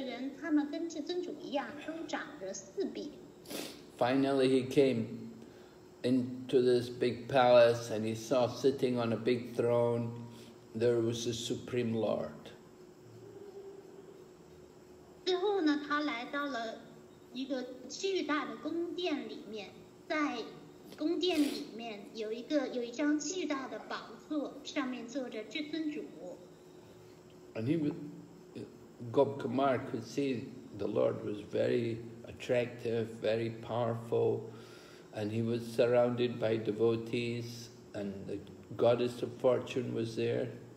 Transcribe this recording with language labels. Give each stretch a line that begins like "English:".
Chinese: 一开始呢，他见到了很多长着四臂的形象的人物，他们非常的吸引人。嗯，多帕库马尔以为他们是至尊主呢，但实际上呢，他们不是至尊主，他们说我们都是仆人，我们是仆人的仆人。嗯，在百昆塔，所有的人他们跟至尊主一样，都长着四臂。
English: Finally, he came into this big palace, and he saw sitting on a big throne, there was the Supreme Lord.
Chinese: 最后呢，他来到了一个巨大的宫殿里面，在宫殿里面有一张巨大的宝座，上面坐着至尊主。
English: And he, Gop Kumar, could see the Lord was very attractive, very powerful. And he was surrounded by devotees, and the goddess of fortune was there.